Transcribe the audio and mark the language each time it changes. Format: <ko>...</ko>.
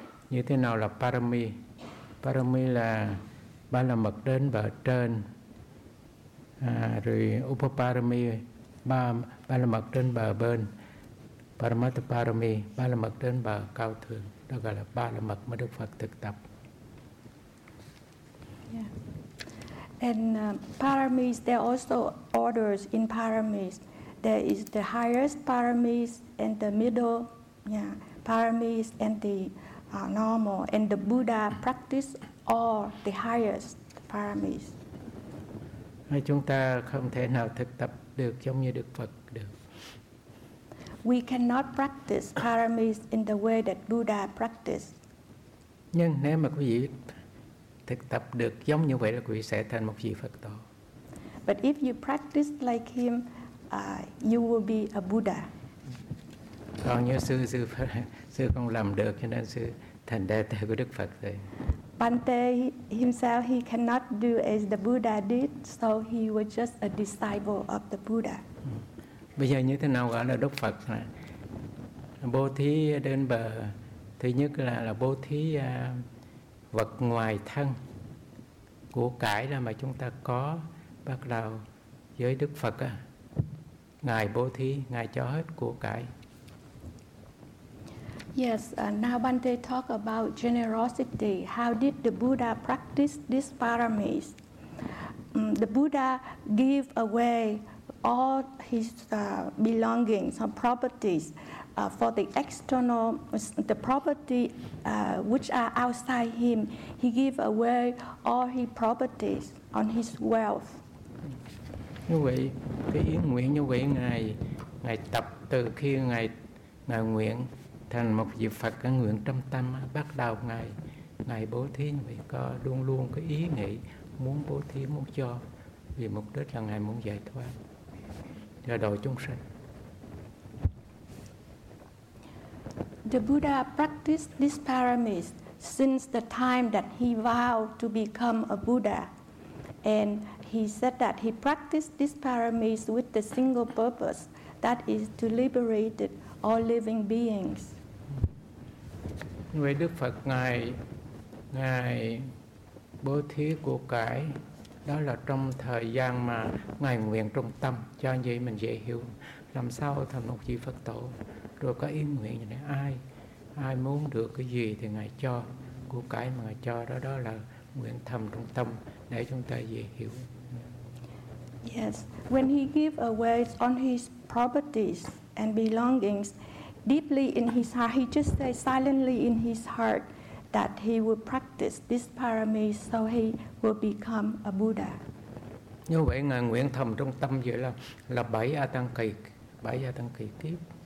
<vi>Như thế nào là Parami? Parami là ba la mật đến và ở trên. Rồi Uparami, ba la mật đến và ở bên. Paramatta Parami, ba la mật đến và ở cao thượng. Đó gọi là ba la mật mà Đức Phật thực tập.</vi> <en>And paramis, there are also orders in paramis. There is the highest paramis and the middle paramis and the normal. And the Buddha practice all the highest paramis.</en> <vi>Chúng ta không thể nào thực tập được giống như Đức Phật được.</vi> <en>We cannot practice paramis in the way that Buddha practice.</en> <vi>Nhưng nếu mà quý vị thực tập được giống như vậy là quý vị sẽ thành một vị Phật tổ.</vi> <en>But if you practice like him, you will be a Buddha.</en> <vi>Còn như sư không làm được cho nên sư thành đệ tử của Đức Phật rồi.</vi> <en>Bhante himself he cannot do as the Buddha did, so he was just a disciple of the Buddha.</en> <vi>Bây giờ như thế nào gọi là Đức Phật? Bố thí đến bờ, thứ nhất là bố thí vật ngoài thân của cải là mà chúng ta có, bắt đầu với Đức Phật á, ngài bố thí, ngài cho hết của cải.</vi> <en>Yes, now Bhante talk about generosity. How did the Buddha practice this paramis? The Buddha gave away all his belongings, some properties. For the external, the property which are outside him, he give away all his properties on his wealth.</en> <vi>Như vậy, cái ý nguyện như vậy, ngài tập từ khi ngài nguyện thành một vị Phật, cái nguyện trong tâm bắt đầu ngài bố thí, như vậy có luôn luôn cái ý nghĩ muốn bố thí, muốn cho vì mục đích là ngài muốn giải thoát cho độ chúng sinh.</vi> <en>The Buddha practiced this paramis since the time that he vowed to become a Buddha. And he said that he practiced this paramis with the single purpose, that is to liberate all living beings.</en> <vi>Vậy Đức Phật ngài bố thí của cải, đó là trong thời gian mà ngài nguyện trong tâm, cho như vậy mình dễ hiểu làm sao thành một vị Phật tổ. Rồi có ý nguyện như thế, ai muốn được cái gì thì ngài cho, của cái mà ngài cho đó là nguyện thầm trong tâm để chúng ta dễ hiểu.</vi> <en>Yes, when he give away on his properties and belongings, deeply in his heart, he just say silently in his heart that he will practice this paramis so he will become a Buddha.</en> <vi>Như vậy ngài nguyện thầm trong tâm vậy là bảy a tăng kỳ kiếp.</vi>